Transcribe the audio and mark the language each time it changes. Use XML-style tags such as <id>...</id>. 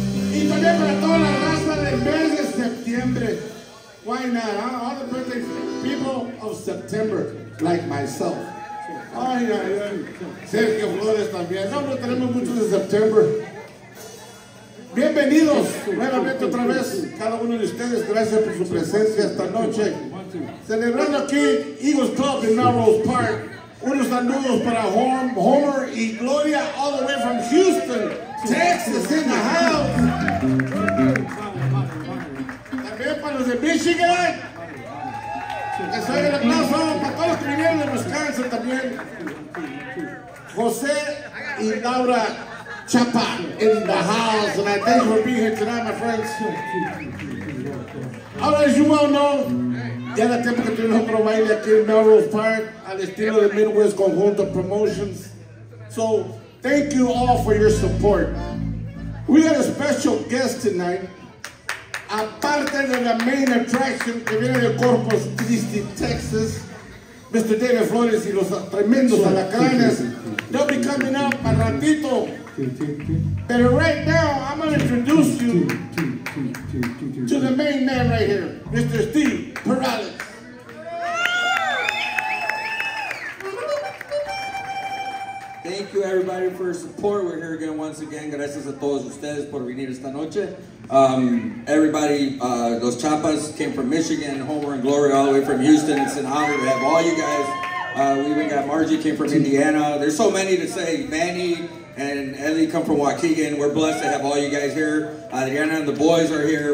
<es>Y también para toda la raza del mes de septiembre.</es> <en>Why not? Huh? All the birthday people of September, like myself.</en> <es>Ay, ay, ay. Sergio Flores también. Nosotros tenemos muchos de September. Bienvenidos nuevamente otra vez, cada uno de ustedes. Gracias por su presencia esta noche. Celebrando aquí Eagles Club en Melrose Park. Unos saludos para</es> <en>Homer y Gloria, all the way from Houston, Texas, in the house.</en> <es>También para los de Michigan. Que se oiga el aplauso para todos los que vinieron de Wisconsin también.</es> <en>José y Laura Chapa in the house. And I thank you for being here tonight, my friends.</en> <es>Ahora,</es> <en>as you all know,</en> <es>ya la tiempo que tuvimos otro baile aquí en Melrose Park al estilo de Midwest Conjunto Promotions.</es> <en>So, thank you all for your support. We got a special guest tonight.</en> <es>Aparte de la main attraction que viene de Corpus Christi, Texas, Mr.</es> <en>David Flores</en> <es>y los tremendos alacranes,</es> <en>they'll be coming up a ratito. But right now, I'm going to introduce you to the main man right here, Mr. Esteban Peralez. Thank you, everybody, for your support. We're here again once again.</en> <es>Gracias a todos ustedes por venir esta noche.</es> <en>Los Chapas came from Michigan, Homer and Gloria all the way from Houston. It's an honor to have all you guys. We even got Margie came from Indiana. There's so many to say. Manny and Ellie come from Waukegan. We're blessed to have all you guys here. Adriana and the boys are here.</en>